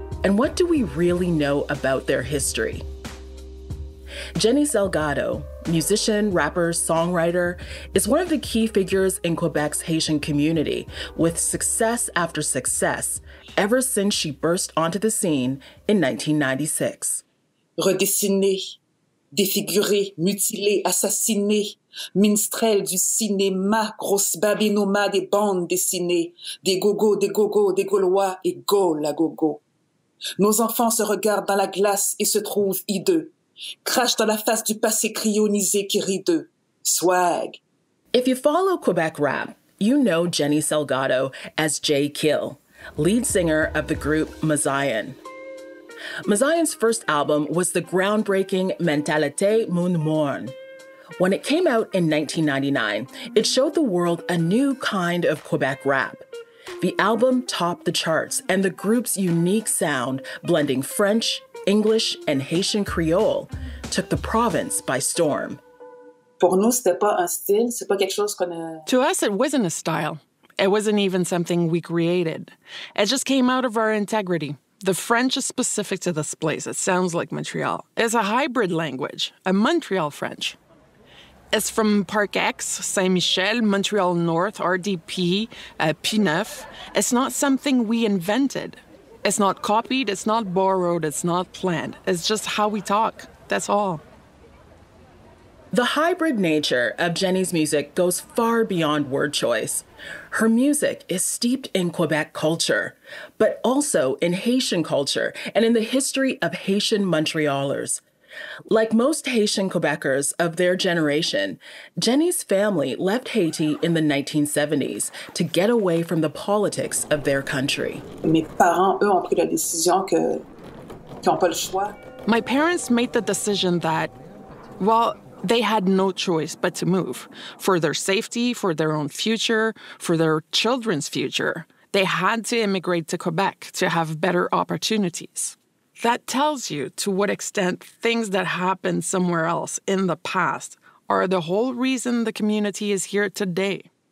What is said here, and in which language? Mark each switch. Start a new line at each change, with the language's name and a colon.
English: And what do we really know about their history? Jenny Salgado, musician, rapper, songwriter, is one of the key figures in Quebec's Haitian community, with success after success ever since she burst onto the scene in 1996.
French: Redessiné, défiguré, mutilé, assassiné, minstrel du cinéma, grosse babine nomade des bandes dessinées, des gogos, des gaulois et gaulle à gogo. Nos enfants se regardent dans la glace et se trouvent hideux. Crash dans la face du passé cryonisé qui rit d'eux.
English: Swag. If you follow Quebec rap, you know Jenny Salgado as Jay Kyll, lead singer of the group Mazayan. Mazayan's first album was the groundbreaking Mentalité Moon Morn. When it came out in 1999, it showed the world a new kind of Quebec rap. The album topped the charts, and the group's unique sound, blending French, English, and Haitian Creole, took the province by storm.
French: Pour nous, c'était pas un style, c'est pas quelque chose qu'on a...
English: To us, it wasn't a style. It wasn't even something we created. It just came out of our integrity. The French is specific to this place. It sounds like Montreal. It's a hybrid language, a Montreal French. It's from Park X, Saint-Michel, Montreal North, RDP, P9. It's not something we invented. It's not copied, it's not borrowed, it's not planned. It's just how we talk, that's all. The hybrid nature of Jenny's music goes far beyond word choice. Her music is steeped in Quebec culture, but also in Haitian culture and in the history of Haitian Montrealers. Like most Haitian Quebecers of their generation, Jenny's family left Haiti in the 1970s to get away from the politics of their country.
French: Mes parents, eux, ont pris la décision que n'ont pas le choix.
English: My parents made the decision that, well, they had no choice but to move. For their safety, for their own future, for their children's future, they had to immigrate to Quebec to have better opportunities. That tells you to what extent things that happened somewhere else in the past are the whole reason the community is here today.